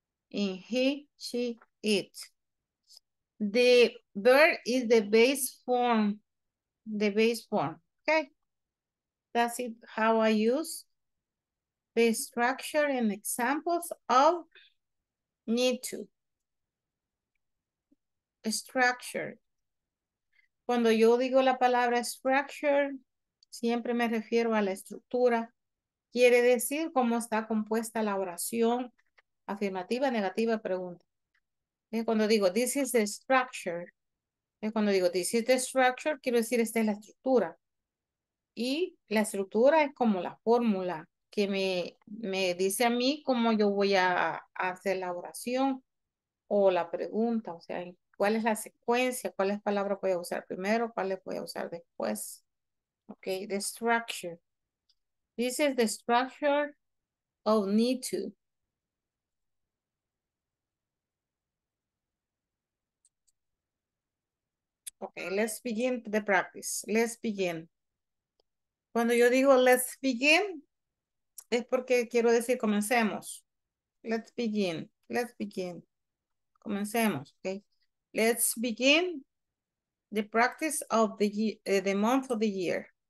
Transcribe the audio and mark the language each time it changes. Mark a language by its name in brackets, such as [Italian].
[English] In he, she, it. The verb is the base form. The base form. Okay. That's it. How I use the structure and examples of need to. Structure. [Spanish] Cuando yo digo la palabra structure, siempre me refiero a la estructura. Quiere decir cómo está compuesta la oración afirmativa, negativa, pregunta. Es cuando digo, [English] this is the structure. [Spanish] Es cuando digo, [English] this is the structure, [Spanish] quiero decir, esta es la estructura. Y la estructura es como la fórmula que me dice a mí cómo yo voy a hacer la oración o la pregunta, o sea, ¿cuál es la secuencia? ¿Cuáles palabras voy a usar primero? ¿Cuáles voy a usar después? [English] Ok, the structure. This is the structure of need to. Ok, let's begin the practice. Let's begin. [Spanish] Cuando yo digo [English] let's begin, [Spanish] es porque quiero decir comencemos. [English] Let's begin. Let's begin. [Spanish] Comencemos, [English] ok. Let's begin the practice of the month of the year.